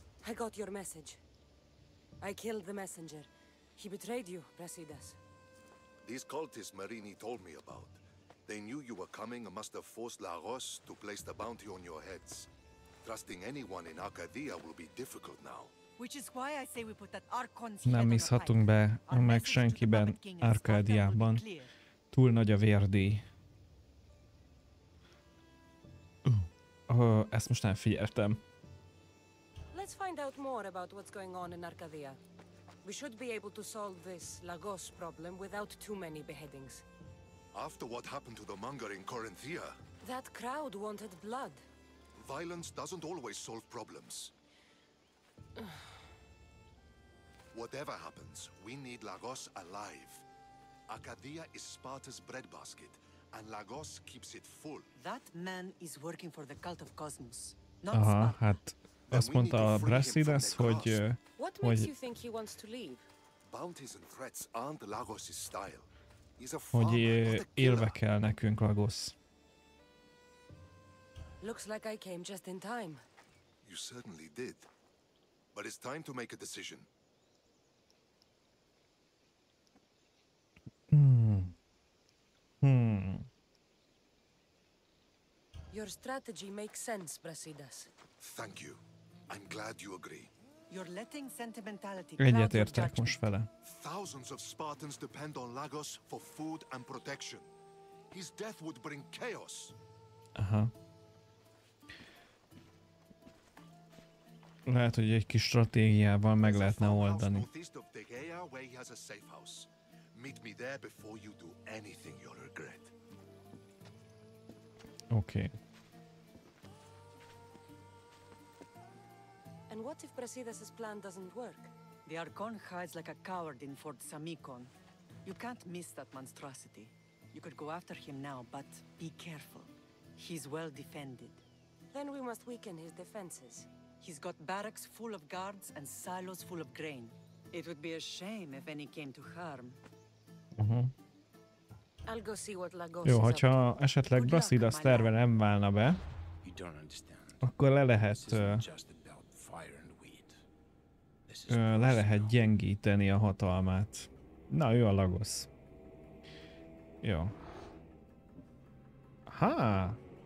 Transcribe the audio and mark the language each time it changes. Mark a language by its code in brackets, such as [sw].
[en] I got your message. I killed the messenger. He betrayed you, Brasidas. These cultists Marini told me about. They knew you were coming and must have forced La Rose to place the bounty on your heads. Trusting anyone in Arcadia will be difficult now. Which is why I say we put that Archon's head on a pike. [hu] Nem bízhatunk be meg senkiben Arcadiában. Túl nagy a vérdíj. Ezt most nem figyeltem. [en] Let's find out more about what's going on in Arcadia. We should be able to solve this Lagos problem without too many beheadings. After what happened to the monger in Corinthia? That crowd wanted blood. Violence doesn't always solve problems. Whatever happens, we need Lagos alive. Arcadia is Sparta's breadbasket, and Lagos keeps it full. That man is working for the cult of Cosmos, not Sparta. [hu] Aha, hát azt mondta a Brasidas, hogy... [en] What makes you think he wants to leave? Bounties and threats aren't Lagos' style. [hu] Hogy élve kell nekünk, Lagos. [en] Looks like I came just in time. You certainly did. But it's time to make a decision. Your strategy makes sense, Brasidas. Thank you. I'm glad you agree. You're letting sentimentality cloud your judgment. [hu] Egyetértek most vele. [en] Thousands of Spartans depend on Lagos for food and protection. His death would bring chaos. Aha. [hu] Lehet, hogy egy kis stratégiával meg lehetne oldani. [en] Northeast of Degea, where he has a safe house. Meet me there before you do anything you'll regret. Okay. And what if Brasidas' plan doesn't work? The Archon hides like a coward in Fort Samikon. You can't miss that monstrosity. You could go after him now, but be careful. He's well defended. Then we must weaken his defenses. He's got barracks full of guards and silos full of grain. It would be a shame if any came to harm. Uh-huh. I'll go see what Lagos. [hu] Jó, hogyha esetleg Brasidas terve nem válna be, akkor le lehet... le lehet gyengíteni a hatalmát. Na, ő a Lagos. Jó. Ha!